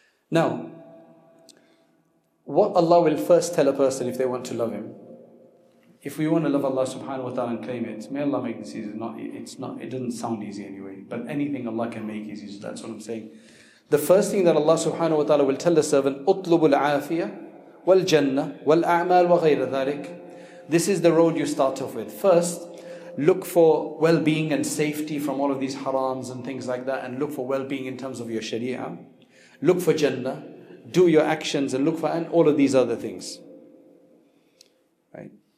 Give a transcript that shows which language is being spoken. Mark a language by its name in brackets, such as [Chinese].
[English] Now, what Allah will first tell a person if they want to love Him, if we want to love Allah subhanahu wa ta'ala and claim it, may Allah make this easy. It doesn't sound easy anyway, but anything Allah can make easy, so that's what I'm saying. The first thing that Allah subhanahu wa ta'ala will tell the servant, [Arabic] أطلب العافية والجنة والأعمال وغير ذلك. [English] This is the road you start off with. First, look for well-being and safety from all of these harams and things like that, and look for well-being in terms of your sharia. Look for Jannah, do your actions and look for and all of these other things. Right?